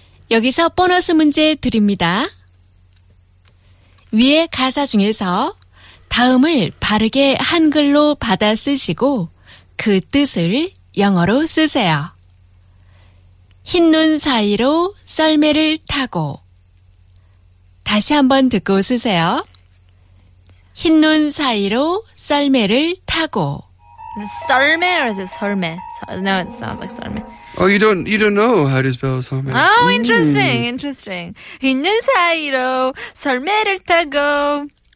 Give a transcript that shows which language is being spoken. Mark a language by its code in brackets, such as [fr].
[ko] 여기서 보너스 문제 드립니다. 위에 가사 중에서 다음을 바르게 한글로 받아 쓰시고 그 뜻을 영어로 쓰세요. 흰눈 사이로 썰매를 타고. 다시 한번 듣고 쓰세요. 흰눈 사이로 썰매를 타고. [en] Is it 썰매 or is it 설매? No, it sounds like 썰매. Oh, you don't know how to spell 썰매. Oh, interesting, interesting. [ko] 흰눈 사이로 썰매를 타고.